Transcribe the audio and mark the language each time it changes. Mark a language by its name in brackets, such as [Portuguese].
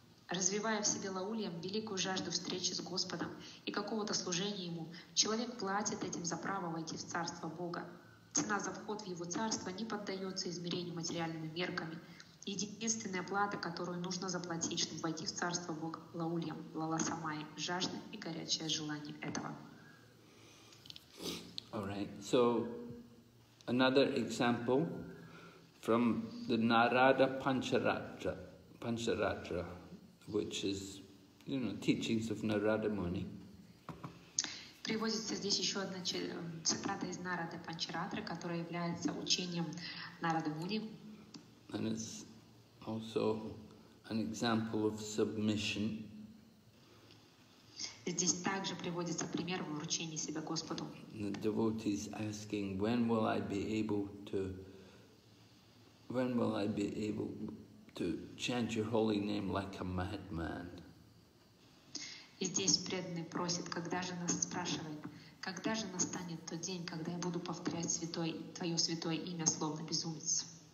[Russian] Развивая в себе лаульем великую жажду встречи с Господом и какого-то служения Ему, человек платит этим за право войти в Царство Бога. Цена за вход в Его Царство не поддается измерению материальными мерками. Единственная плата, которую нужно заплатить, чтобы войти в Царство Бога – лаульем, лаласамай, жажда и горячее желание этого. [English] All right, so another example from the Narada Pancharatra, which is, you know, teachings of Narada Muni. [Russian] Приводится здесь еще одна цитата из Нарады Панчаратры, которая является учением Нарады Муни. [English] And it's also an example of submission. [Russian] Здесь также приводится пример вручения себя Господу. [English] The devotee is asking, when will I be able to, when will I be able to chant your holy name like a madman? [Russian] И здесь преданный просит, когда же нас спрашивает, когда же настанет тот день, когда я буду повторять святое, твое святое имя, словно безумец?